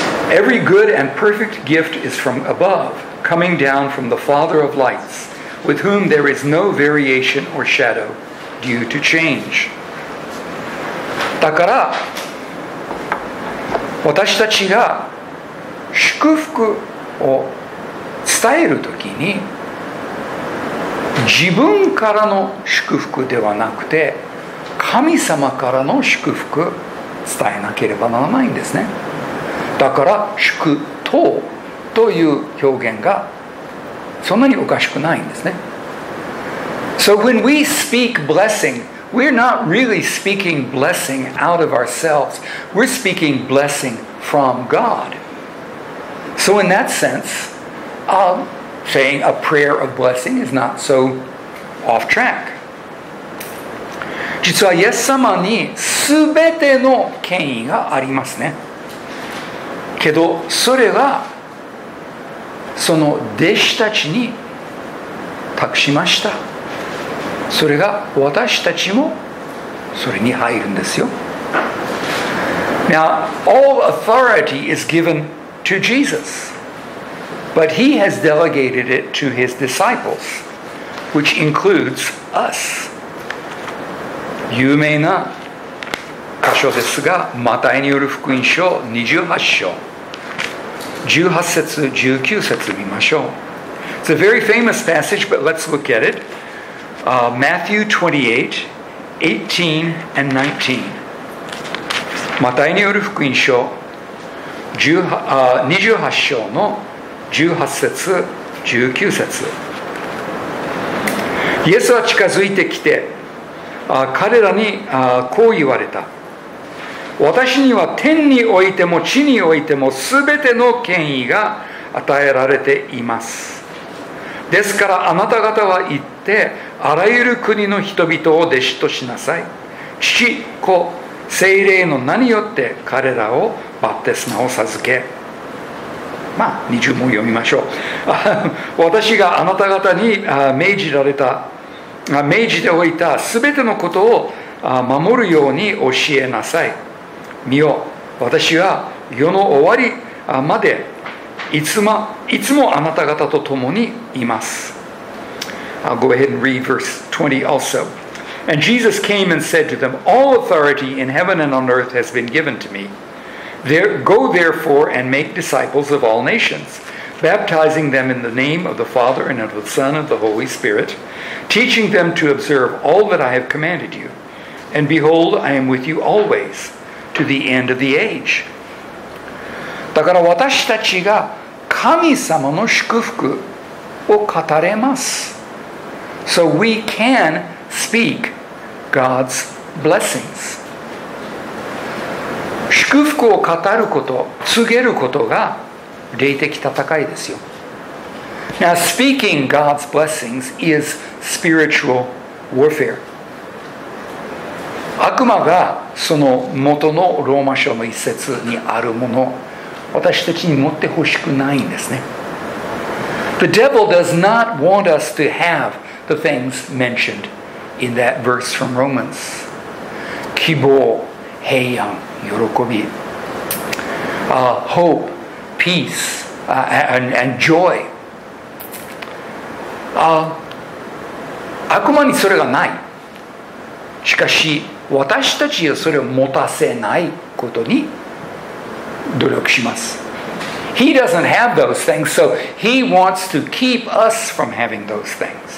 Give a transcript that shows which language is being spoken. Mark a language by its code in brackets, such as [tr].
[en] Every good and perfect gift is from above, coming down from the Father of lights, with whom there is no variation or shadow due to change. [ja] だから私たちが祝福を伝えるときに自分からの祝福ではなくて神様からの祝福を伝えなければならないんですね。だから祝祷という表現がそんなにおかしくないんですね。 [en] So when we speak blessingWe're not really speaking blessing out of ourselves. We're speaking blessing from God. So in that sense, saying a prayer of blessing is not so off track. [ja] 実はイエス様にすべての権威がありますね。けどそれがその弟子たちに託しました。それが私たちもそれに入るんですよ。 [en] Now, all authority is given to Jesus, but he has delegated it to his disciples, which includes us. [ja] 有名な箇所ですが、マタイによる福音書28章18節19節見ましょう。 [en] It's a very famous passage, but let's look at itMatthew 28:18-19. [ja] マタイによる福音書28章の18節19節。イエスは近づいてきて彼らにこう言われた。私には天においても地においてもすべての権威が与えられています。ですからあなた方は言ってあらゆる国の人々を弟子としなさい。父、子、聖霊の名によって彼らをバプテスマを授け。まあ、二重も読みましょう。私があなた方に命じられた、命じておいたすべてのことを守るように教えなさい。見よ、私は世の終わりまでいつもあなた方と共にいます。 [en] I'll go ahead and read verse 20 also. And Jesus came and said to them, All authority in heaven and on earth has been given to me. There, go therefore and make disciples of all nations, baptizing them in the name of the Father and of the Son and of the Holy Spirit, teaching them to observe all that I have commanded you. And behold, I am with you always, to the end of the age. [ja] だから私たちが神様の祝福を語れます。 [en] So we can speak God's blessings. [ja] 祝福を語ること、告げることが霊的戦いですよ。 [en] Now speaking God's blessings is spiritual warfare. [ja] 悪魔がその元のローマ書の一節にあるもの、私たちに持ってほしくないんですね。 [en] The devil does not want us to have the things mentioned in that verse from Romans. [ja] 希望、平安、喜び、 [en] hope, peace, and joy. [ja] 悪魔にそれがない。しかし、私たちはそれを持たせないことに努力します。 [en] He doesn't have those things, so he wants to keep us from having those things.